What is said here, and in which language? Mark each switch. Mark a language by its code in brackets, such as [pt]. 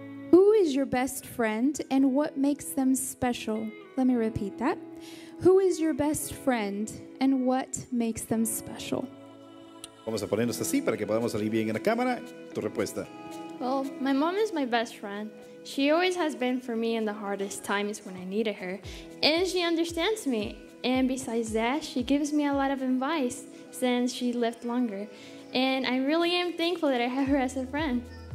[en] Who is your best friend and what makes them special? Let me repeat that. Who is your best friend and what makes them special? [es] Vamos a ponernos así para que podamos salir bien en la cámara. Tu respuesta. [en] Well, my mom is my best friend. She always has been for me in the hardest times when I needed her. And she understands me. And besides that, she gives me a lot of advice since she lived longer. And I really am thankful that I have her as a friend.